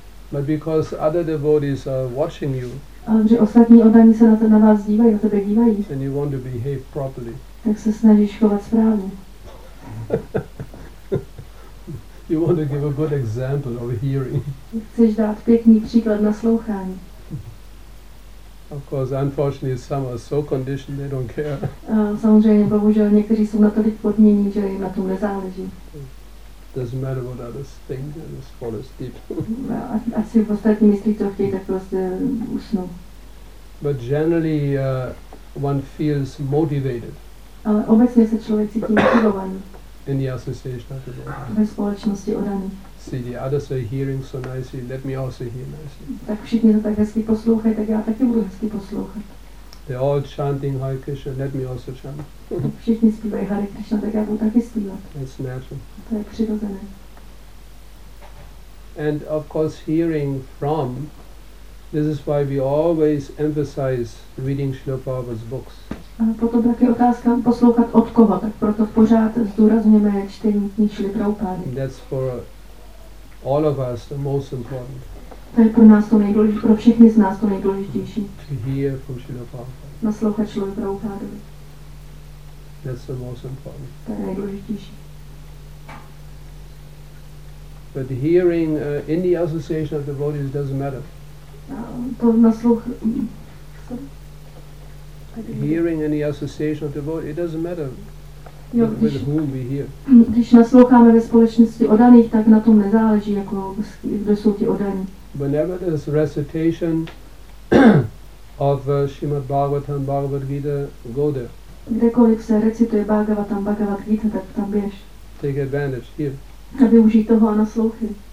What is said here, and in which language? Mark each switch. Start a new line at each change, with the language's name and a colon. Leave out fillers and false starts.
English: But because other devotees are watching you, and you want to behave properly, you want to give a good example of hearing. Of course, unfortunately, some are so conditioned they don't care.
Czech: Samozřejmě, bohužel, někteří jsou natolik podmínění, že jim na tom nezáleží.
English: Doesn't matter what others think, they just fall asleep.
Czech: Ať si ostatní myslí, co chtějí, tak prostě usnou.
English: But generally, one feels motivated.
Czech: Ale obecně se člověk cítí motivovaný.
English: In the association of the world.
Czech: Ve společnosti odaný.
English: See, the others are hearing so nicely, let me also hear nicely.
Czech: Tak všichni to tak hezky poslouchají, tak já taky budu hezky poslouchat.
English: They're all chanting Hare Krishna, let me also chant.
Czech: Všichni zpívají Hare Krishna, tak já budu taky zpívat.
English: That's natural.
Czech: To je přirozené.
English: And of course hearing from, this is why we always emphasize reading Srila Prabhupada's books.
Czech: A potom taky otázka poslouchat od koho, tak proto pořád zdůrazněme čtení knih Srila Prabhupády.
English: That's for all of us the most important.
Czech: To je pro nás to nejdůležitější, pro všechny z nás to nejdůležitější.
English: To hear from Srila Prabhupada.
Czech: Naslouchat Srila Prabhupádu.
English: That's the most important.
Czech: To je nejdůležitější.
English: But hearing in the association of devotees doesn't matter.
Czech: To naslouch.
English: Hearing any association of devotees, it doesn't matter with whom we hear.
Czech: Když nasloucháme ve společnosti odaných, tak na tom nezáleží, jako kdo jsou ti odaní.
English: Whenever there's recitation of Srimad Bhagavatam, Bhagavad Gita, go there.
Czech: Kdekoliv se recituje Bhagavatam, Bhagavad Gita, tak tam běž.
English: Take advantage here.
Czech: A využij toho a naslouchej.